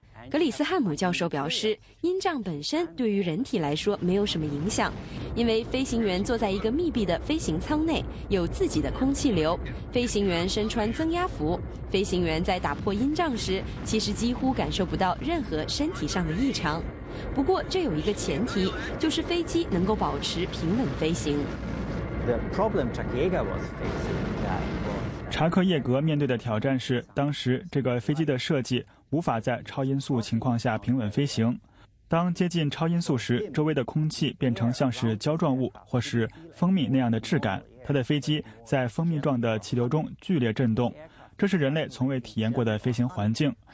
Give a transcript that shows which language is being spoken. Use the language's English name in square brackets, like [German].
[Chinese] 格里斯汉姆教授表示，音障本身对于人体来说没有什么影响，因为飞行员坐在一个密闭的飞行舱内，有自己的空气流，飞行员身穿增压服，飞行员在打破音障时其实几乎感受不到任何身体上的异常。不过这有一个前提，就是飞机能够保持平稳飞行。 [English] The problem Chuck Yeager was facing that was... [Chinese] 查克·叶格面对的挑战是，当时这个飞机的设计无法在超音速情况下平稳飞行。当接近超音速时，周围的空气变成像是胶状物或是蜂蜜那样的质感，他的飞机在蜂蜜状的气流中剧烈震动，这是人类从未体验过的飞行环境。